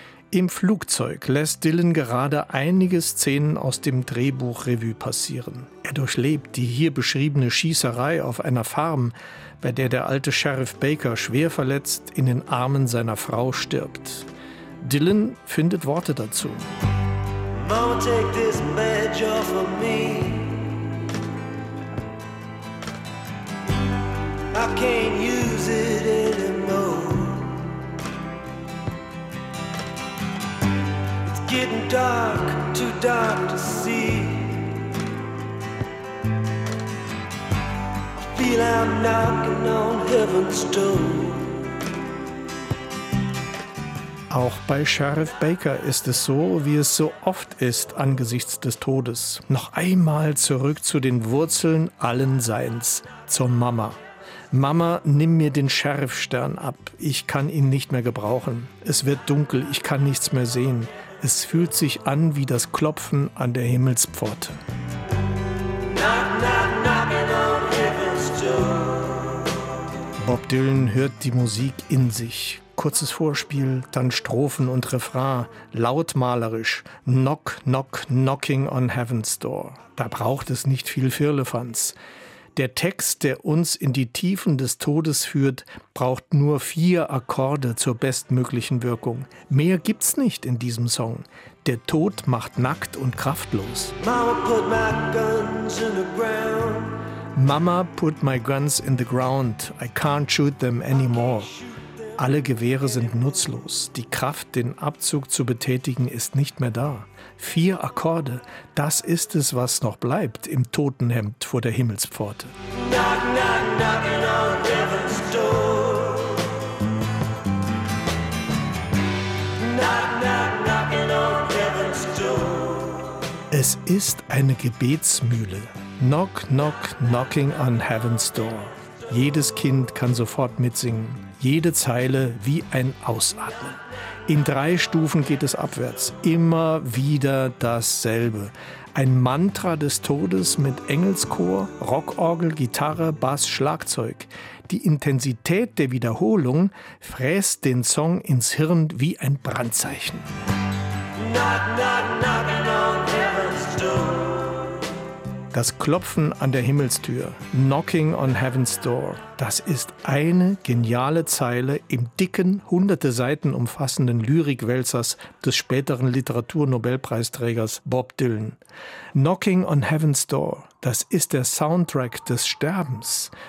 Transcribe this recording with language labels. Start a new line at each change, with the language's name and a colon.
German: Im Flugzeug lässt Dylan gerade einige Szenen aus dem Drehbuch Revue passieren. Er durchlebt die hier beschriebene Schießerei auf einer Farm, bei der der alte Sheriff Baker schwer verletzt in den Armen seiner Frau stirbt. Dylan findet Worte dazu.
English: Mama, take this badge off of me. I can't use it anymore. It's getting dark to see. I feel I'm knocking on heaven's door.
German: Auch bei Sheriff Baker ist es so, wie es so oft ist angesichts des Todes. Noch einmal zurück zu den Wurzeln allen Seins, zur Mama. Mama, nimm mir den Sheriffstern ab. Ich kann ihn nicht mehr gebrauchen. Es wird dunkel, ich kann nichts mehr sehen. Es fühlt sich an wie das Klopfen an der Himmelspforte.
English: Knock, knock, knocking on heaven's door.
German: Bob Dylan hört die Musik in sich. Kurzes Vorspiel, dann Strophen und Refrain, lautmalerisch.
English: Knock, knock, knocking on heaven's door.
German: Da braucht es nicht viel Firlefanz. Der Text, der uns in die Tiefen des Todes führt, braucht nur 4 Akkorde zur bestmöglichen Wirkung. Mehr gibt's nicht in diesem Song. Der Tod macht nackt und kraftlos.
English: Mama put my guns in the ground. Mama put my guns in the ground. I can't shoot them anymore.
German: Alle Gewehre sind nutzlos. Die Kraft, den Abzug zu betätigen, ist nicht mehr da. 4 Akkorde, das ist es, was noch bleibt im Totenhemd vor der Himmelspforte.
English: Knock, knock, knocking on heaven's door. Knock, knock, knocking on heaven's door.
German: Es ist eine Gebetsmühle.
English: Knock, knock, knocking on heaven's door.
German: Jedes Kind kann sofort mitsingen. Jede Zeile wie ein Ausatmen. In 3 Stufen geht es abwärts. Immer wieder dasselbe. Ein Mantra des Todes mit Engelschor, Rockorgel, Gitarre, Bass, Schlagzeug. Die Intensität der Wiederholung fräst den Song ins Hirn wie ein Brandzeichen.
English: Knock, knock, knocking on heaven's door.
German: Das Klopfen an der Himmelstür,
English: knocking on heaven's door,
German: das ist eine geniale Zeile im dicken, hunderte Seiten umfassenden Lyrikwälzers des späteren Literaturnobelpreisträgers Bob Dylan.
English: Knocking on heaven's door,
German: das ist der Soundtrack des Sterbens.